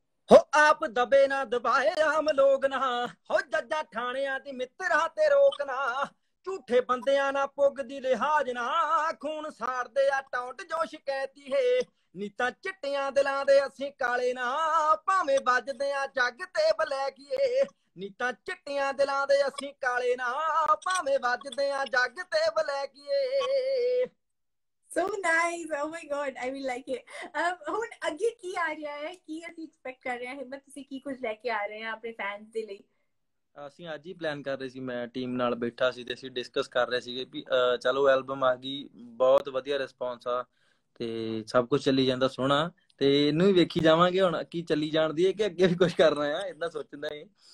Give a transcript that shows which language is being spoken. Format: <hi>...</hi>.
<pa>ਹੋ ਆਪ ਦਬੇ ਨਾ ਦਬਾਏ ਆਮ ਲੋਕ ਨਾ, ਹੋ ਜੱਜਾ ਠਾਣਿਆਂ ਦੀ ਮਿੱਤਰਾਂ ਤੇ ਰੋਕ ਨਾ, ਝੂਠੇ ਬੰਦਿਆਂ ਨਾ ਪੁੱਗ ਦੀ ਲਿਹਾਜ਼ ਨਾ, ਖੂਨ ਸਾੜਦੇ ਆ ਟੌਂਟ ਜੋ ਸ਼ਿਕਾਇਤੀ ਹੈ, ਨੀ ਤਾਂ ਚਿੱਟੀਆਂ ਦਿਲਾਂ ਦੇ ਅਸੀਂ ਕਾਲੇ ਨਾ, ਭਾਵੇਂ ਵੱਜਦੇ ਆ ਜੱਗ ਤੇ ਬਲੈਕੀਏ, ਨੀ ਤਾਂ ਚਿੱਟੀਆਂ ਦਿਲਾਂ ਦੇ ਅਸੀਂ ਕਾਲੇ ਨਾ, ਭਾਵੇਂ ਵੱਜਦੇ ਆ ਜੱਗ ਤੇ ਬਲੈਕੀਏ।</pa> <en>So nice, oh my god, I will like it.</en> <pa>ਹੁਣ ਅੱਗੇ ਕੀ ਆ ਰਿਹਾ ਹੈ, ਕੀ ਅਸੀਂ ਐਕਸਪੈਕਟ ਕਰ ਰਹੇ ਹਾਂ ਹਿੰਮਤ, ਤੁਸੀਂ ਕੀ ਕੁਝ ਲੈ ਕੇ ਆ ਰਹੇ ਹਾਂ ਆਪਣੇ ਫੈਨਸ ਦੇ ਲਈ? ਅਸੀਂ ਅੱਜ ਹੀ ਪਲਾਨ ਕਰ ਰਹੇ ਸੀ, ਮੈਂ ਟੀਮ ਨਾਲ ਬੈਠਾ ਸੀ ਤੇ ਅਸੀਂ ਡਿਸਕਸ ਕਰ ਰਹੇ ਸੀਗੇ ਵੀ ਚਲੋ ਐਲਬਮ ਆ ਗਈ, ਬਹੁਤ ਵਧੀਆ ਰਿਸਪੌਂਸ ਆ ਤੇ ਸਭ ਕੁਝ ਚੱਲੀ ਜਾਂਦਾ ਸੋਹਣਾ, ਤੇ ਇਹਨੂੰ ਵੀ ਵੇਖੀ ਜਾਵਾਂਗੇ ਹੁਣ ਕੀ ਚੱਲੀ ਜਾਣ ਦੀ ਹੈ ਕਿ ਅੱਗੇ ਵੀ ਕੁਝ ਕਰਨਾ ਆ, ਇੰਨਾ ਸੋਚਦਾ ਹੈ।</pa>